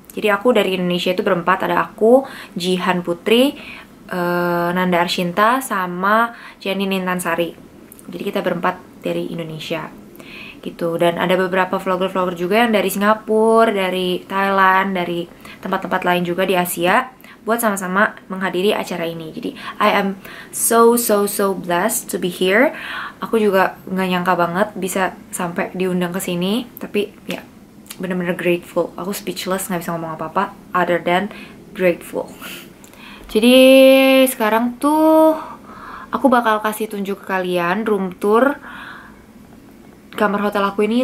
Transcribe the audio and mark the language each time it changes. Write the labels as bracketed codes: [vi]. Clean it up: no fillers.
[id] Jadi aku dari Indonesia itu berempat, ada aku, Jihan Putri, Nanda Arshinta, sama Jenny Nintansari. Jadi kita berempat dari Indonesia. gitu. Dan ada beberapa vlogger-vlogger juga yang dari Singapura, dari Thailand, dari tempat-tempat lain juga di Asia, buat sama-sama menghadiri acara ini. [en] Jadi I am so blessed to be here. [id] Aku juga nggak nyangka banget bisa sampai diundang ke sini, tapi ya yeah, benar-benar grateful. Aku speechless, nggak bisa ngomong apa-apa other than grateful. Jadi sekarang tuh aku bakal kasih tunjuk ke kalian room tour kamar hotel aku ini.